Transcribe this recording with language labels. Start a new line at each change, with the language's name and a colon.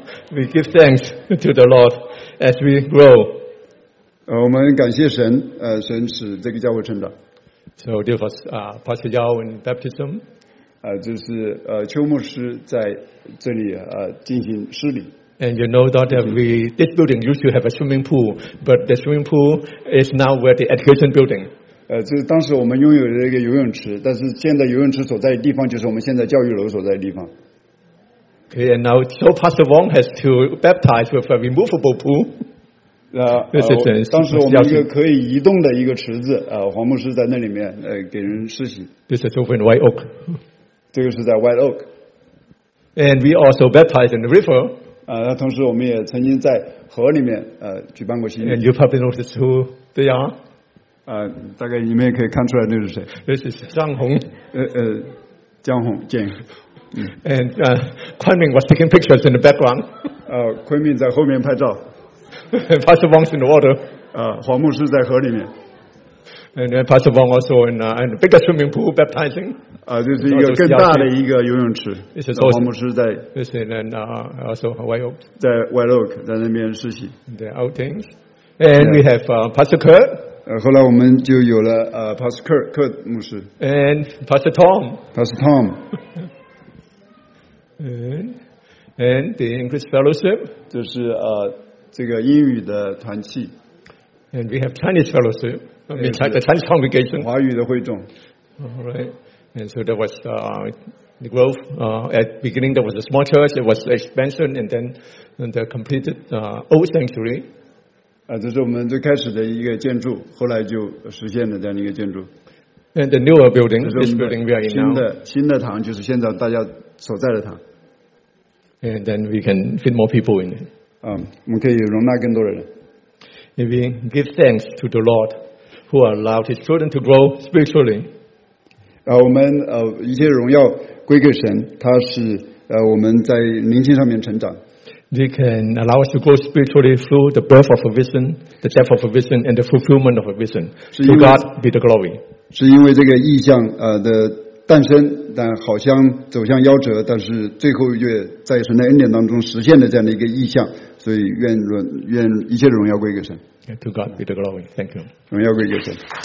English: We give thanks to the Lord as we grow.
Chinese: 我们感谢神，神使这个教会成长。
English: So this was Pastor Yao in baptism.
Chinese: 就是邱牧师在这里进行施礼。
English: And you know that we this building used to have a swimming pool, but the swimming pool is now where the education building.
Chinese: 这当时我们拥有了一个游泳池，但是现在游泳池所在的地方就是我们现在教育楼所在的地方。
English: Okay, and now so Pastor Wong has to baptize with a removable pool.
Chinese: 当时我们一个可以移动的一个池子，黄牧师在那里面给人施洗。
English: This is over in White Oak.
Chinese: 这个是在 White Oak.
English: And we also baptized in the river.
Chinese: 同时我们也曾经在河里面举办过洗礼。
English: And you probably noticed who they are.
Chinese: 大概你们也可以看出来那是谁。
English: This is 张红。
Chinese: 江红，建宇。
English: And Kuan Ming was taking pictures in the background.
Chinese: Kuan Ming 在后面拍照。
English: Pastor Wong's in the water.
Chinese: 黄牧师在河里面。
English: And then Pastor Wong also in the bigger swimming pool baptizing.
Chinese: 这是一个更大的一个游泳池。黄牧师在。
English: This is then also White Oak.
Chinese: 在 White Oak 在那边实习。
English: The outings. And we have Pastor Kurt.
Chinese: 后来我们就有了Pastor Kurt 克牧师。
English: And Pastor Tom. Pastor Tom. And the English Fellowship,
Chinese: 就是这个英语的团契。
English: And we have Chinese Fellowship, the Chinese Congregation,
Chinese: 华语的会众。
English: All right, and so that was the growth. At the beginning, there was a small church. It was expansion, and then they completed old sanctuary.
Chinese: 这是我们最开始的一个建筑，后来就实现了这样一个建筑。
English: And the newer building, this building we are in now.
Chinese: 新的堂就是现在大家所在的堂。
English: And then we can fit more people in it.
Chinese: 我们可以容纳更多的人。
English: And we give thanks to the Lord who allowed his children to grow spiritually.
Chinese: 我们一切荣耀归给神，他是我们在灵性上面成长。
English: They can allow us to grow spiritually through the birth of a vision, the death of a vision, and the fulfillment of a vision. To God be the glory.
Chinese: 是因为这个意象的诞生，但好像走向夭折，但是最后又在神的恩典当中实现了这样的一个意象，所以愿一切荣耀归给神。
English: To God be the glory. Thank you.
Chinese: 荣耀归给神。